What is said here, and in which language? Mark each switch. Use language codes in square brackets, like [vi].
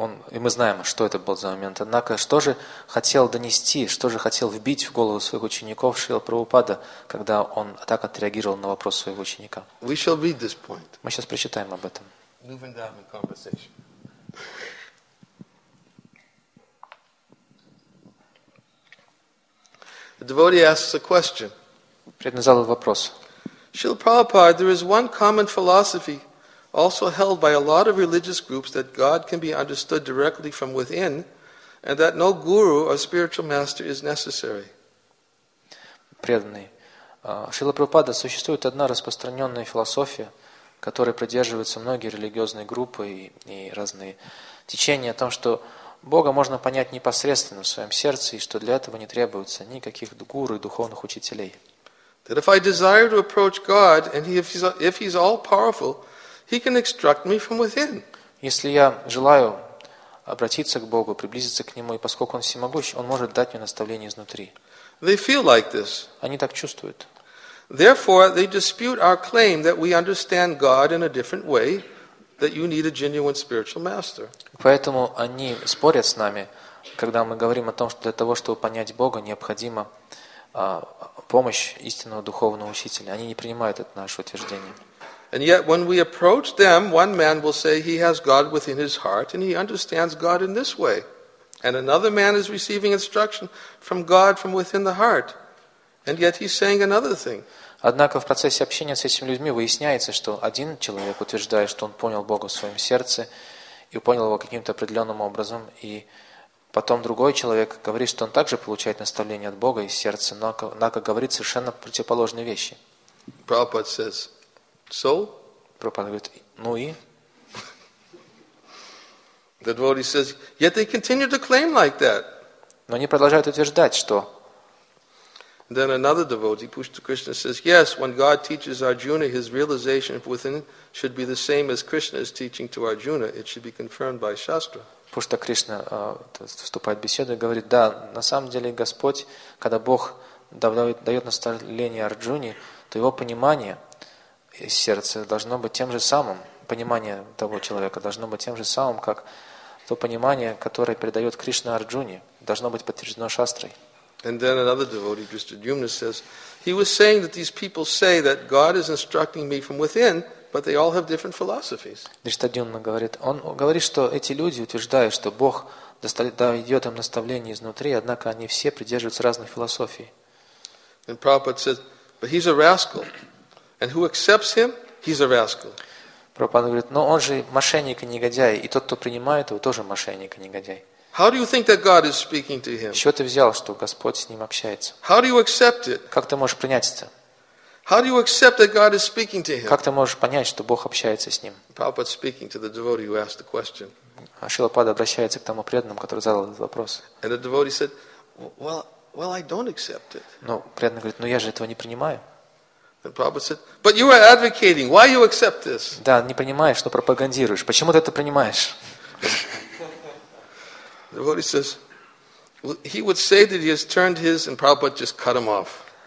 [ru] И мы знаем, что это был за момент. Однако, что же хотел донести, что же хотел вбить в голову своих учеников Шрила Прабхупада, когда он так отреагировал на вопрос своего ученика? [en] We shall read this point. [ru] Мы сейчас прочитаем об этом. [en] Moving down the conversation. The devotee asks a question. [ru] Преданный задал вопрос. [en] Srila Prabhupada, there is one common philosophy also held by a lot of religious groups that God can be understood directly from within and that no guru or spiritual master is necessary. [ru] Преданный. Шрила Прабхупада, существует одна распространенная философия, которая придерживается многие религиозные группы и разные течения о том, что Бога можно понять непосредственно в своем сердце и что для этого не требуется никаких гуру и духовных учителей. [en] That if I desire to approach God and if he's all-powerful, He can instruct me from within. [ru] Если я желаю обратиться к Богу, приблизиться к Нему, и поскольку Он всемогущ, Он может дать мне наставление изнутри. [en] They feel like this. [ru] Они так чувствуют. [en] Therefore, they dispute our claim that we understand God in a different way, that you need a genuine spiritual master. [ru] Поэтому они спорят с нами, когда мы говорим о том, что для того, чтобы понять Бога, необходима помощь истинного духовного учителя. Они не принимают это наше утверждение. [en] And yet, when we approach them, one man will say he has God within his heart and he understands God in this way. And another man is receiving instruction from God from within the heart. And yet, he's saying another thing. [ru] Однако в процессе общения с этими людьми выясняется, что один человек утверждает, что он понял Бога в своем сердце и понял его каким-то определенным образом. И потом другой человек говорит, что он также получает наставление от Бога из сердца, однако говорит совершенно противоположные вещи. [en] Prabhupada says, So? [ru] Прабхупада говорит, ну и? [en] The devotee says, yet they continue to claim like that. [ru] Но они продолжают утверждать, что? [en] Then another devotee, Pushtakrishna, says, yes, when God teaches Arjuna, his realization within should be the same as Krishna is teaching to Arjuna. It should be confirmed by Shastra. [ru] Пушта-Кришна вступает в беседу и говорит, да, на самом деле Господь, когда Бог дает наставление Арджуне, то его понимание сердце должно быть тем же самым, понимание того человека должно быть тем же самым, как то понимание, которое передает Кришна Арджуне, должно быть подтверждено шастрой. [en] And then another devotee, Drishtadyumna, says, he was saying that these people say that God is instructing me from within, but they all have different philosophies. [ru] Drishtadyumna говорит, он говорит, что эти люди утверждают, что Бог дает им наставление изнутри, однако они все придерживаются разных философий. [en] And Prabhupada says, but he's a rascal. And who accepts him, he's a rascal. [ru] Прабхупада говорит, но он же мошенник и негодяй, и тот, кто принимает его, тоже мошенник и негодяй. [en] How do you think that God is speaking to him? [ru] Чего ты взял, что Господь с ним общается? [en] How do you accept it? [ru] Как ты можешь принять это? [en] How do you accept that God is speaking to him? [ru] Как ты можешь понять, что Бог общается с ним? [en] Prabhupada speaking to the devotee who asked the question. [ru] Шрила Прабхупада обращается к тому преданному, который задал этот вопрос. [en] And the devotee said, well, I don't accept it. [ru] Но преданный говорит, но я же этого не принимаю. [en] And Prabhupada said, but you are advocating. Why you accept this? [ru] Да, не понимаешь, что пропагандируешь. Почему ты это принимаешь? [en] devotee says, he would say that he has turned his, and Prabhupada just cut him off.